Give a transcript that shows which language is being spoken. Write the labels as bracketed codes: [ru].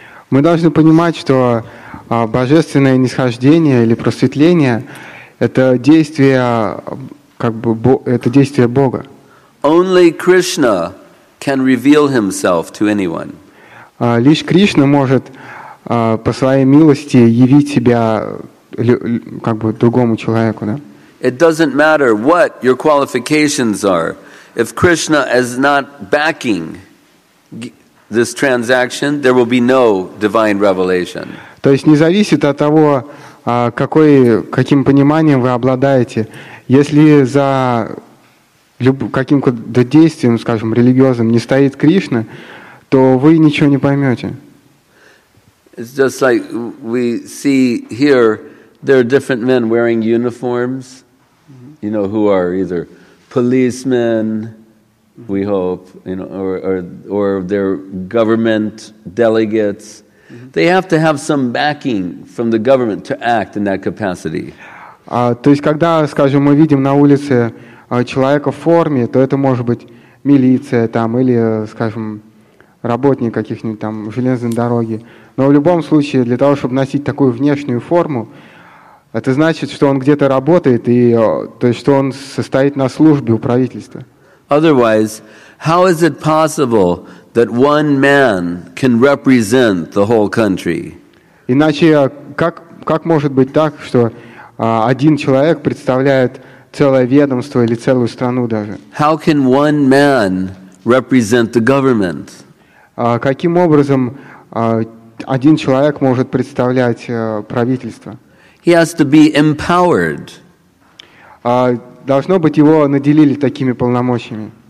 [ru] Мы должны понимать, что божественное нисхождение или просветление — это действие как бы это действие Бога. [en] Only Krishna can reveal himself to anyone. [ru] Лишь Кришна может по своей милости явить себя как бы другому человеку, да? [en] It doesn't matter what your qualifications are. If Krishna is not backing this transaction, there will be no divine revelation. [ru] То есть не зависит от того, каким пониманием вы обладаете. Если за каким-то действием, скажем, религиозным, не стоит Кришна, то вы ничего не поймете. [en] It's just like we see here, there are different men wearing uniforms, you know, who are either policemen, we hope, you know, or they're government delegates. They have to have some backing from the government to act in that capacity. [ru] То есть, когда, скажем, мы видим на улице человека в форме, то это может быть милиция там или, скажем, работник каких-нибудь там железной дороги. Но в любом случае, для того, чтобы носить такую внешнюю форму, это значит, что он где-то работает, и то есть, что он состоит на службе у правительства. [en] Otherwise, how is it possible that one man can represent the whole country? [ru] Иначе как может быть так, что один человек представляет целое ведомство или целую страну даже? [en] How can one man represent the government? [ru] Каким образом один человек может представлять правительство? [en] He has to be empowered. [ru] Должно быть, его наделили такими полномочиями.